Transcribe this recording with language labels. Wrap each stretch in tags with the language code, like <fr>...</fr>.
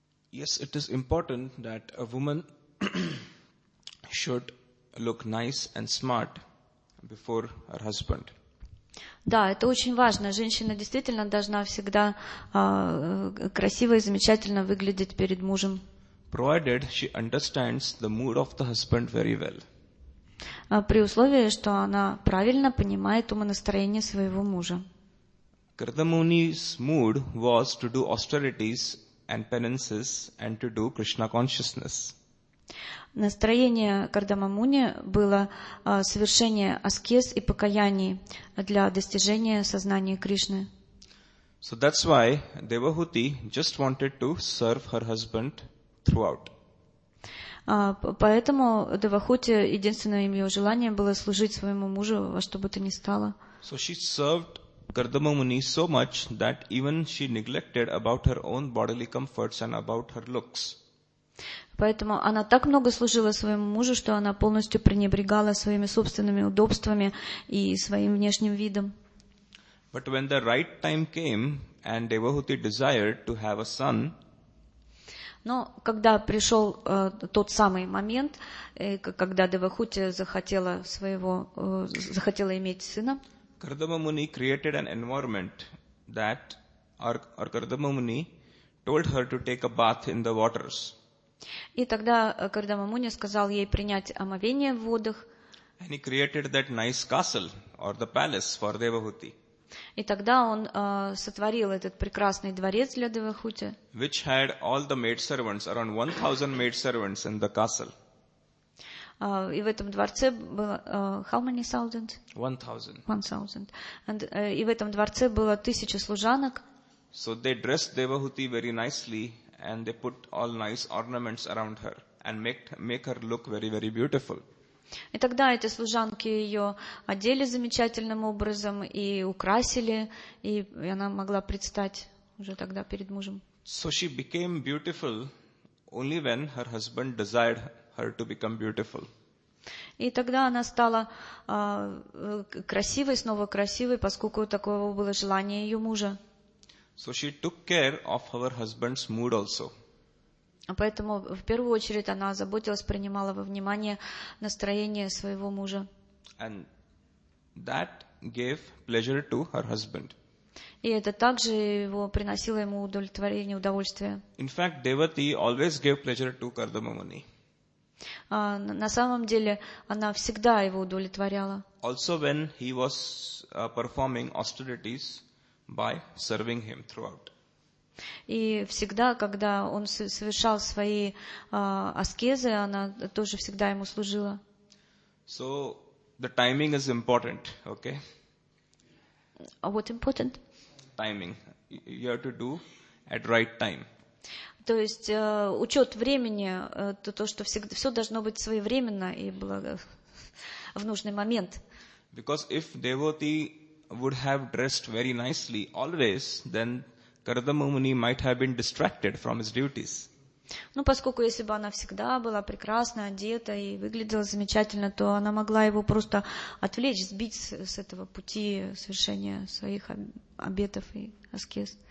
<en>Yes, it is important that a woman should look nice and smart before her husband.</en> <ru>Да, это очень важно. Женщина действительно должна всегда красиво и замечательно выглядеть перед мужем.</ru> <en>Provided she understands the mood of the husband very well.</en> <ru>При условии, что она правильно понимает умонастроение своего мужа.</ru> <en>Kardamuni's mood was to do austerities and penances and to do Krishna consciousness.</en> <ru>Настроение Кардамамуни было совершение аскез и покаяний для достижения сознания Кришны.</ru> <en>So that's why Devahuti just wanted to serve her husband throughout.</en> <ru>Поэтому Девахути единственное ее желание было служить своему мужу во что бы то ни стало.</ru> <en>So she served Kardama Muni so much that even she neglected about her own bodily comforts and about her looks.</en> <ru>Поэтому она так много служила своему мужу, что она полностью пренебрегала своими собственными удобствами и своим внешним видом.</ru> <en>But when the right time came and Devahuti desired to have a son,</en> <ru>но когда пришел тот самый момент, когда Девахути захотела иметь сына,</ru> <en>Kardama Muni created an environment that or Kardama Muni told her to take a bath in the waters.</en> <ru>И тогда Кардама Муни сказал ей принять омовение в водах.</ru> <en>And he created that nice castle or the palace for Devahuti.</en> <ru>И тогда он сотворил этот прекрасный дворец для Девахути.</ru> <en>Which had all the maidservants, around 1,000 maidservants in the castle.</en> <ru>И в этом дворце было</ru> <en>how many thousand? 1,000. And</en> <ru>и в этом дворце было 1,000 служанок.</ru> <en>So they dressed Devahuti very nicely and they put all nice ornaments around her and make her look very, very beautiful.</en> <ru>И тогда эти служанки ее одели замечательным образом и украсили, и она могла предстать уже тогда перед мужем.</ru> <en>So she became beautiful only when her husband desired her to become beautiful.</en> <ru>И тогда она стала красивой, снова красивой, поскольку такого было желание ее мужа.</ru> <en>So she took care of her husband's mood also.</en> <ru>Поэтому в первую очередь она заботилась, принимала во внимание настроение своего мужа.</ru> <en>And that gave pleasure to her husband.</en> <ru>И это также его приносило ему удовлетворение, удовольствие.</ru> <en>In fact, Devati always gave pleasure to Kardama Muni.</en> <ru>На самом деле она всегда его удовлетворяла.</ru> <en>Also when he was performing austerities by serving him throughout.</en> <ru>И всегда, когда он совершал свои аскезы, она тоже всегда ему служила.</ru> <en>So, the timing is important, okay? What important? Timing. You have to do at right time.</en> <ru>То есть учет времени, то, что всегда, все должно быть своевременно и благо, в нужный момент.</ru> <en>Because if devotee would have dressed very nicely always, then Kardama Muni might have been distracted from his duties.</en> <ru>Ну, поскольку если бы она всегда была прекрасно одета и выглядела замечательно, то она могла его просто отвлечь, сбить с этого пути совершения своих обетов и аскез.</ru>